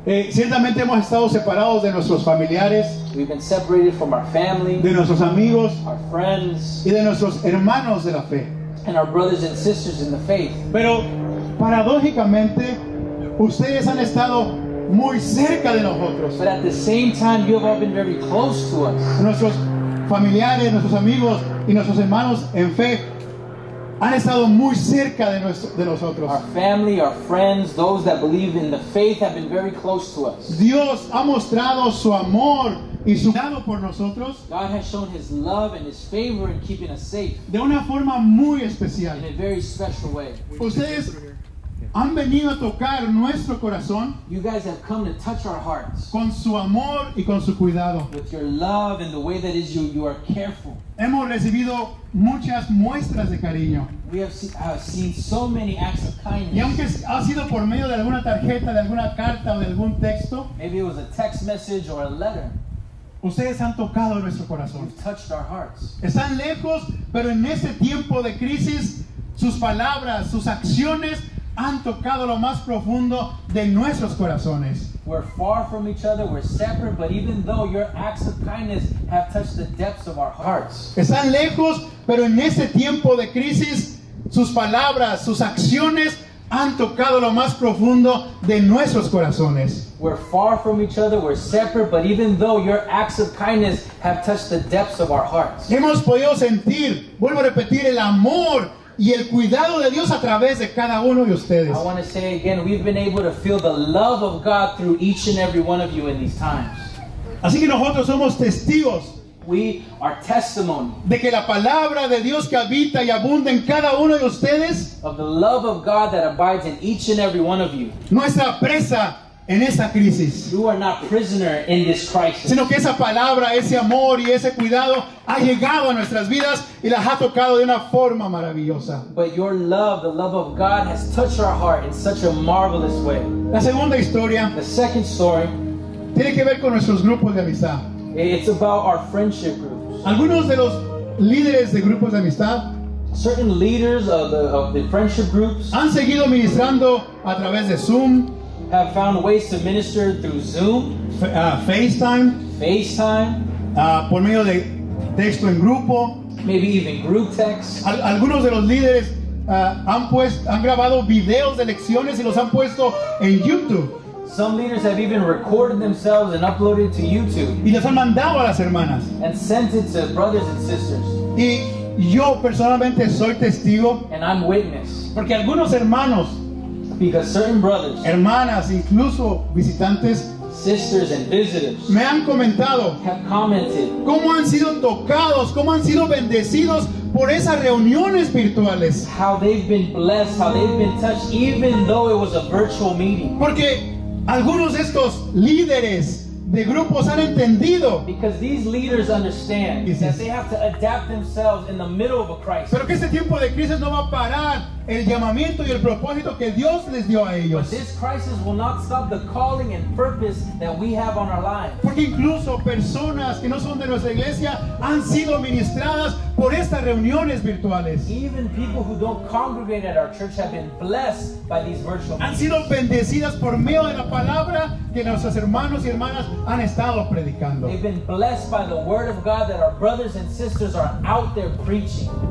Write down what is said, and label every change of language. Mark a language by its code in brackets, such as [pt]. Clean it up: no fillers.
[es] Ciertamente hemos estado separados de nuestros familiares. [en] We've been separated from our family, [es] de nuestros amigos. [en] Our friends, [es] y de nuestros hermanos de la fe. [en] And our brothers and sisters in the faith. [es] Pero paradójicamente, ustedes han estado muy cerca de nosotros. [en] But at the same time, you have been very close to us. [es] Nuestros familiares, nuestros amigos y nuestros hermanos en fe han estado muy cerca de nosotros. [en] Our family, our friends, those that believe in the faith have been very close to us. [es] Dios ha mostrado su amor y su cuidado por nosotros. [en] God has shown his love and his favor in keeping us safe. [es] De una forma muy especial. [en] In a very special way. [es] Ustedes han venido a tocar nuestro corazón. [en] You guys have come to touch our hearts. [es] Con su amor y con su cuidado. [en] With your love and the way that is you are careful. [es] Hemos recibido muchas muestras de cariño. [en] We have seen so many acts of kindness. [es] Y aunque ha sido por medio de alguna tarjeta, de alguna carta o de algún texto, [en] maybe it was a text message or a letter. [es] Ustedes han tocado nuestro corazón. [en] You've touched our hearts. [es] Están lejos, pero en este tiempo de crisis, sus palabras, sus acciones han tocado lo más profundo de nuestros corazones. [en] We're far from each other, we're separate, but even though your acts of kindness have touched the depths of our hearts. [es] Están lejos, pero en este tiempo de crisis, sus palabras, sus acciones han tocado lo más profundo de nuestros corazones. [en] We're far from each other, we're separate, but even though your acts of kindness have touched the depths of our hearts. [es] Hemos podido sentir, vuelvo a repetir, el amor y el cuidado de Dios a través de cada uno de ustedes. [en] I want to say again, we've been able to feel the love of God through each and every one of you in these times. [es] Así que nosotros somos testigos. [en] We are testimony. [es] De que la palabra de Dios que habita y abunda en cada uno de ustedes. [en] Of the love of God that abides in each and every one of you. [es] No está presa en esta crisis. [en] You are not prisoner in this crisis. [es] Sino que esa palabra, ese amor y ese cuidado ha llegado a nuestras vidas y las ha tocado de una forma maravillosa. [en] But your love, the love of God, has touched our heart in such a marvelous way. [es] La segunda historia, [en] the second story, [es] tiene que ver con nuestros grupos de amistad. [en] It's about our friendship groups. [es] Algunos de los líderes de grupos de amistad, [en] certain leaders of the friendship groups, [es] han seguido ministrando a través de Zoom, [en] have found ways to minister through Zoom, [es] FaceTime, por medio de texto en grupo, [en] maybe even group text. [es] Algunos de los líderes han grabado videos de lecciones y los han puesto en YouTube. [en] Some leaders have even recorded themselves and uploaded to YouTube. [es] Y los han mandado a las hermanas. [en] And sent it to brothers and sisters. [es] Y yo personalmente soy testigo. [en] And I'm witness. [es] Porque algunos hermanos, [en] because certain brothers, [es] hermanas, incluso visitantes, [en] sisters and visitors, [es] me han comentado, [en] have commented, [es] cómo han sido tocados, cómo han sido bendecidos por esas reuniones virtuales. [en] How they've been blessed, how they've been touched, even though it was a virtual meeting. [es] Porque algunos de estos líderes de grupos han entendido. [en] Because these leaders understand that they have to adapt themselves in the middle of a crisis. [es] Pero que este tiempo de crisis no va a parar el llamamiento y el propósito que Dios les dio a ellos. [en] But this crisis will not stop the calling and purpose that we have on our lives. [es] Porque incluso personas que no son de nuestra iglesia han sido ministradas por estas reuniones virtuales. [en] Even people who don't congregate at our church have been blessed by these virtual meetings. [es] Han sido bendecidas por medio de la palabra que nuestros hermanos y hermanas han estado predicando. [en] They've been blessed by the word of God that our brothers and sisters are out there preaching.